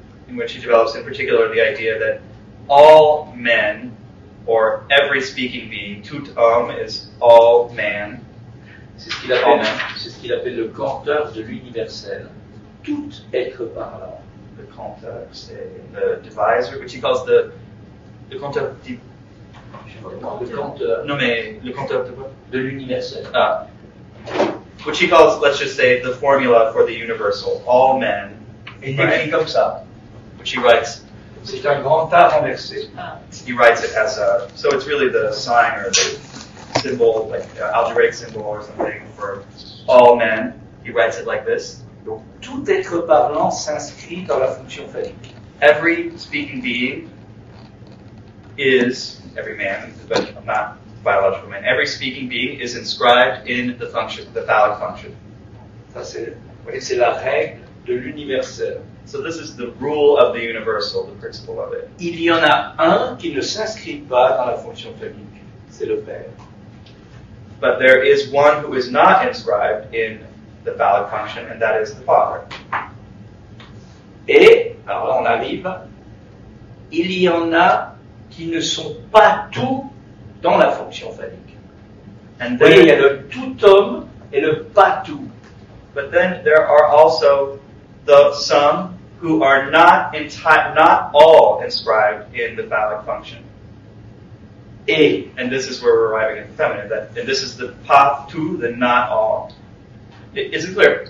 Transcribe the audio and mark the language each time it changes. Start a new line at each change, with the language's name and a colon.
English: In which he develops in particular the idea that all men, or every speaking being,
French: tout homme
English: is all man.
French: C'est ce qu'il appelle le compteur de l'universel. Tout être parlant. Le compteur, c'est le divisor,
English: which he calls the
French: compteur di... Le compteur de quoi? De l'universel. Ah.
English: Which he calls, let's just say, the formula for the universal. All men.
French: Et il écrit comme ça.
English: Which he writes.
French: C'est un grand A renversé.
English: He writes it as a... So it's really the sign or the symbol, like an algebraic symbol or something for all men. He writes it like this.
French: Donc, tout être parlant s'inscrit dans la fonction phallique.
English: Every speaking being is... Every man, but I'm not a biological man. Every speaking being is inscribed in the function, the phallic function.
French: Ça c'est, oui, c'est la règle de l'universel.
English: So this is the rule of the universal, the principle of it.
French: Il y en a un qui ne s'inscrit pas dans la fonction phallique. C'est le père.
English: But there is one who is not inscribed in the phallic function, and that is the father.
French: Et, alors là on arrive, il y en a qui ne sont pas tout dans la fonction phallique.
English: And then,
French: vous voyez, il y a le tout homme et le pas tout.
English: But then there are also the some who are not not all inscribed in the phallic function.
French: Et,
English: and this is where we're arriving at the feminine. That, and this is the pas tout, the not all. Is it clear?